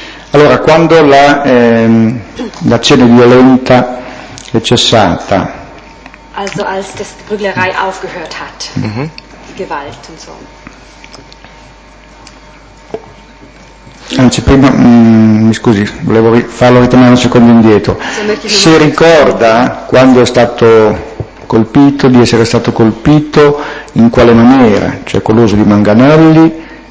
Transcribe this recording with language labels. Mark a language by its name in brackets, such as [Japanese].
[Italian] Allora, quando l'azione violenta è cessata. [German] Also als das Prügelerei aufgehört hat, die Gewalt und so. [Italian] Anzi, prima, mi scusi, volevo farlo ritornare un secondo indietro. Si ricorda quando è stato colpito, di essere stato colpito, in quale maniera? Cioè con l'uso di manganelli?